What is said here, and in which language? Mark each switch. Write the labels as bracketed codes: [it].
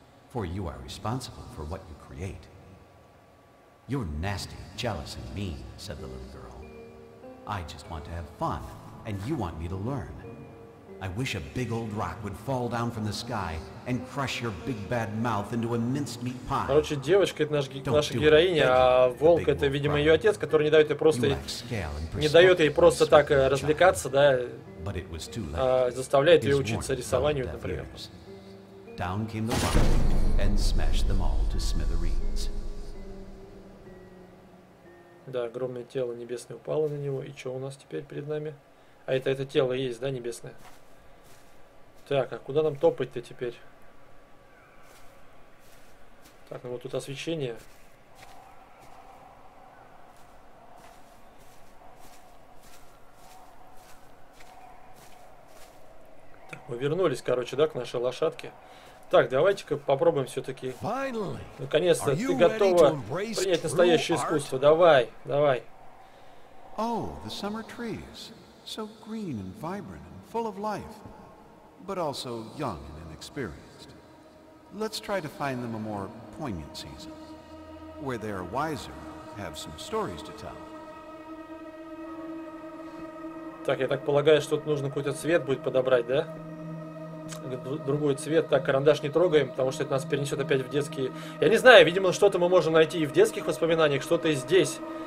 [en] For you are responsible for what you create. You're nasty, jealous, and mean, said the little girl. I just want to have fun, and you want me to learn. I wish a big old rock would fall down from the sky and crush your big bad mouth into a mincemeat pie. [ru] Короче, девочка это наша героиня, а волк это, видимо, ее отец, который не дает ей просто так развлекаться, да? А заставляет ее учиться рисованию, например. [en] Down came the rock and smashed them all to smithereens. [ru] Да, огромное тело небесное упало на него. И что у нас теперь перед нами? А это тело есть, да, небесное? Так, а куда нам топать-то теперь? Так, ну вот тут освещение. Так, Мы вернулись, короче, да, к нашей лошадке. Так, давайте-ка попробуем все-таки. Наконец-то, ты готова принять настоящее искусство. Давай, давай. [en] Oh, the summer trees. So green and vibrant and full of life. But also young and inexperienced. Let's try to find them a more poignant season. Where they are wiser, have some stories to tell. [ru] Так, я так полагаю, что тут нужно какой-то цвет будет подобрать, да? Другой цвет. Так, карандаш не трогаем, потому что это нас перенесет опять в детские... Я не знаю, видимо, что-то мы можем найти и в детских воспоминаниях, что-то и здесь.